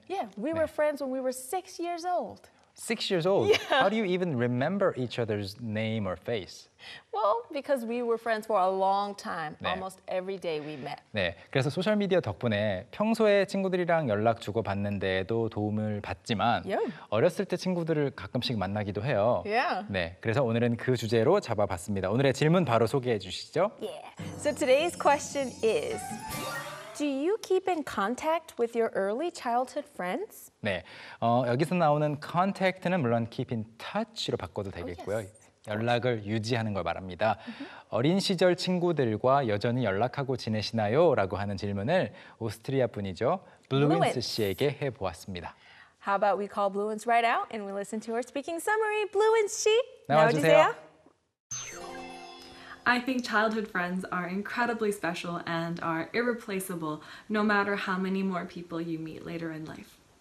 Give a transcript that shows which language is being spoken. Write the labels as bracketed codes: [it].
[en] Yeah, we [ko] 네. [en] were friends when we were 6 years old. 6 years old? Yeah. How do you even remember each other's name or face? Well, because we were friends for a long time. [ko] 네. [en] Almost every day we met. [ko] 네, 그래서 소셜미디어 덕분에 평소에 친구들이랑 연락 주고받는데도 도움을 받지만 [en] yeah. [ko] 어렸을 때 친구들을 가끔씩 만나기도 해요. [en] Yeah. [ko] 네, 그래서 오늘은 그 주제로 잡아봤습니다. 오늘의 질문 바로 소개해 주시죠. [en] Yeah. So today's question is... Do you keep in contact with your early childhood friends? [ko] 네, 여기서 나오는 contact는 물론 [en] keep in touch [ko] 로 바꿔도 되겠고요. [en] Oh, yes. [ko] 연락을 유지하는 걸 말합니다. [en] Mm-hmm. [ko] 어린 시절 친구들과 여전히 연락하고 지내시나요? 라고 하는 질문을 오스트리아 분이죠. 블루인스 씨에게 해보았습니다. [en] How about we call Blueins right out and we listen to her speaking summary. [ko] Blueins 씨, 나와주세요. [en] I think childhood friends are incredibly special and are irreplaceable, no matter how many more people you meet later in life.